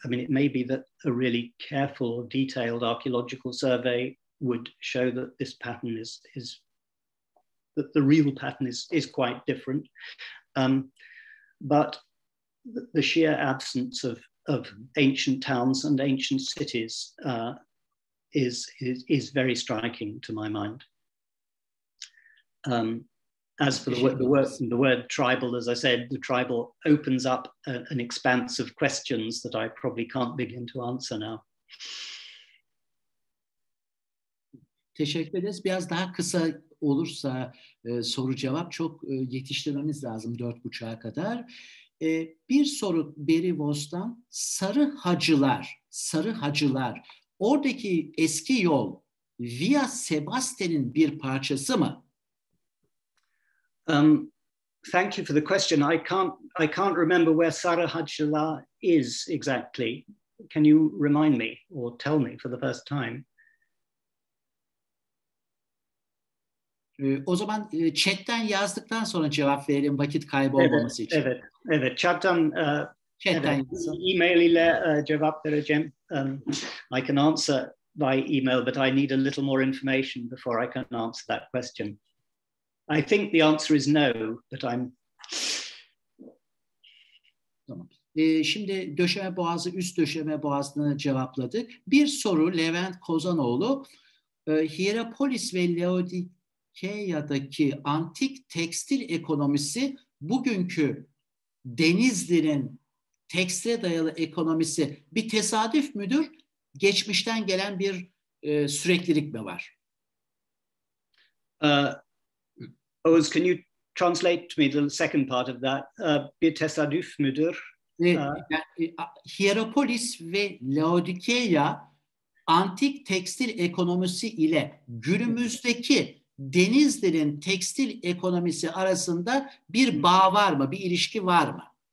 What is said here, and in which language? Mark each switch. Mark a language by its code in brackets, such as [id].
[en] I mean, it may be that a really careful, detailed archaeological survey would show that this pattern is that the real pattern is quite different, but the sheer absence of ancient towns and ancient cities is very striking to my mind. As for the word tribal, as I said, the tribal opens up an expanse of questions that I probably can't begin to answer now. [tr] Teşekkür ederiz. Biraz daha kısa olursa soru cevap, çok yetiştirmemiz lazım 4:30'a kadar. Bir soru Beri Vos'tan. Sarı hacılar, oradaki eski yol Via Sebaste'nin bir parçası mı? [en] Thank you for the question. I can't remember where Sarı Hacılar is exactly. Can you remind me or tell me for the first time? [tr] O zaman chatten yazdıktan sonra cevap verelim vakit kaybolmaması için. Evet. Chatten evet. E-mail ile cevap vereceğim. [en] I can answer by email, but I need a little more information before I can answer that question. I think the answer is no, but I'm... [tr] Tamam. Şimdi döşeme boğazı, üst döşeme boğazını cevapladık. Bir soru Levent Kozanoğlu. Hierapolis ve Laodike Keya'daki antik tekstil ekonomisi bugünkü Denizli'nin tekstile dayalı ekonomisi bir tesadüf müdür? Geçmişten gelen bir süreklilik mi var? [en] Oğuz, can you translate to me the second part of that? [tr] Bir tesadüf müdür? Hierapolis ve Laodikeya antik tekstil ekonomisi ile günümüzdeki denizlerin tekstil ekonomisi arasında bir bağ var mı, bir ilişki var mı?